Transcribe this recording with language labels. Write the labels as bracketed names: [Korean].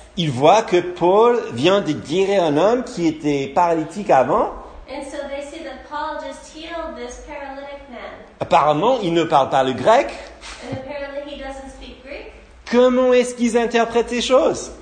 [French] Ils voient que Paul vient de guérir un homme qui était paralytique avant. [English] So they see that Paul just healed this paralytic man. [French] Apparemment, il ne parle pas le grec. [English] And apparently he doesn't speak Greek. [French] Comment est-ce qu'ils interprètent ces choses?